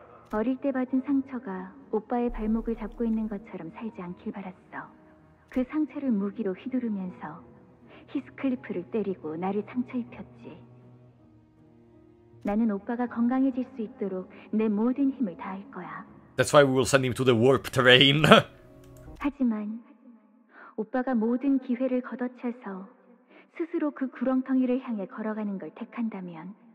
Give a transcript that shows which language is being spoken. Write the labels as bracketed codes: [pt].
[ko] 어릴 때 받은 상처가 오빠의 발목을 잡고 있는 것처럼 살지 않길 바랐어. 그 상처를 무기로 휘두르면서 히스클리프를 때리고 나를 상처 입혔지. 나는 오빠가 건강해질 수 있도록 내 모든 힘을 다할 거야. [en] That's why we will send him to the warp train. [ko] 하지만 오빠가 모든 기회를 걷어차서 스스로 그 구렁텅이를 향해 걸어가는 걸 택한다면.